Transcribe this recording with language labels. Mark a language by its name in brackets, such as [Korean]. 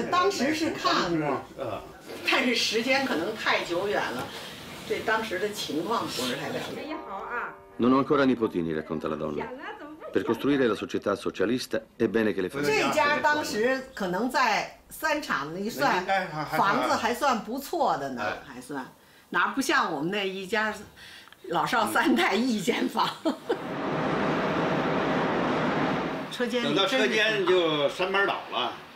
[Chinese] 当时是看过，但是时间可能太久远了，对当时的情况不是太了解。你好 [Italian] 啊。Non ho ancora nipotini, racconta la donna. Per costruire la società socialista è bene che le famiglie. [Chinese] 这家当时可能在三厂一算，房子还算不错的呢，还算，哪不像我们那一家，老少三代一间房。车间等到车间就三班倒了。